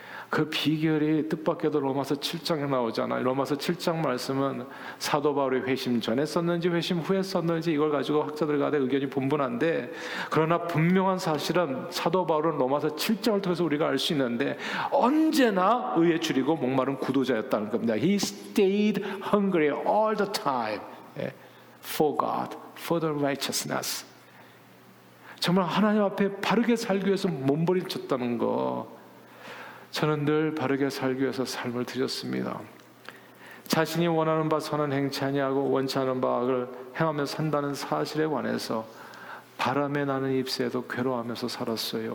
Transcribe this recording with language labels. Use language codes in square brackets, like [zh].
[ko] 그 비결이 뜻밖에도 로마서 7장에 나오잖아요. 로마서 7장 말씀은 사도 바울이 회심 전에 썼는지 회심 후에 썼는지 이걸 가지고 학자들 간에 의견이 분분한데 그러나 분명한 사실은 사도 바울은 로마서 7장을 통해서 우리가 알 수 있는데 언제나 의에 줄이고 목마른 구도자였다는 겁니다. [en] He stayed hungry all the time for God, for the righteousness. [ko] 정말 하나님 앞에 바르게 살기 위해서 몸부림쳤다는 거. 저는 늘 바르게 살기 위해서 삶을 드렸습니다. 자신이 원하는 바 선은 행치 아니하고 원치 않은 바 악을 행하며 산다는 사실에 관해서 바람에 나는 잎새도 괴로워하면서 살았어요.